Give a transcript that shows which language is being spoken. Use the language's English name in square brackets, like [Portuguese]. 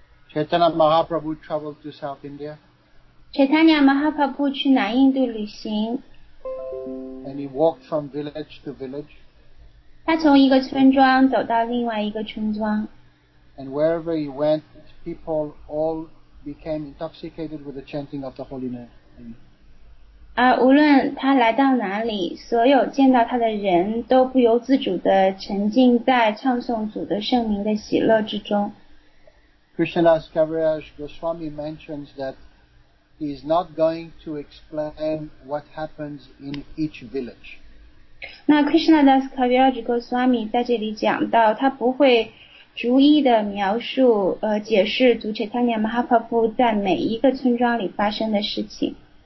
[English] Chaitanya Mahaprabhu traveled to South India. [Chinese] Chaitanya Mahaprabhu 去南印度旅行。 [English] And he walked from village to village. [Chinese] 他从一个村庄走到另外一个村庄。 [English] And wherever he went, people all became intoxicated with the chanting of the holy name. [Chinese] 无论他来到哪里，所有见到他的人都不由自主地沉浸在唱诵主的圣名的喜乐之中。 [English] Krishnadas Kaviraj Goswami mentions that he is not going to explain what happens in each village. [Chinese] 那 Krishnadas Kaviraj Goswami 在这里讲到，他不会逐一的描述、解释主 Chaitanya Mahaprabhu 在每一个村庄里发生的事情。